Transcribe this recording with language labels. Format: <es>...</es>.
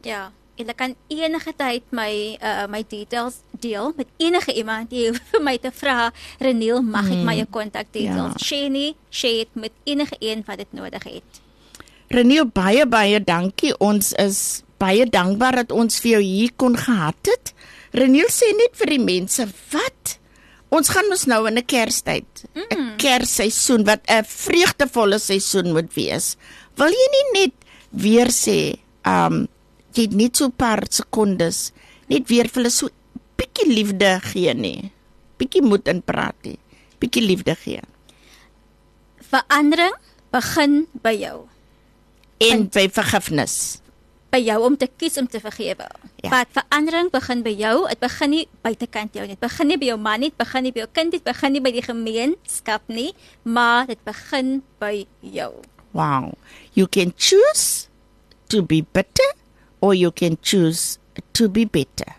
<af>Ja, en ek kan enige tyd my details deel, met enige iemand die vir my te vraag, Reniel, mag ek my contact details, sê nie, sê het met enige een wat het nodig het. Reniel, baie, baie dankie, ons is baie dankbaar dat ons vir jou hier kon gehad het. Reniel, sê net vir die mense, wat? Ons gaan ons nou in een kerstyd, een kerstseisoen, wat een vreugdevolle seisoen moet wees. Wil jy nie net weer sê, jy het net so paar sekondes, net weer vir hulle so bietjie liefde gee nie, bietjie moed in praat nie, bietjie liefde gee. Verandering begin by jou. En by vergifnis. By jou om te kies om te vergewe. Ja. Wat verandering begin by jou, het begin nie buitenkant jou nie. Het begin nie by jou man nie, het begin nie by jou kind nie, het begin nie by die gemeenskap nie, maar het begin by jou. Wow.</af> <en>You can choose to be bitter, or you can choose to be better.</en>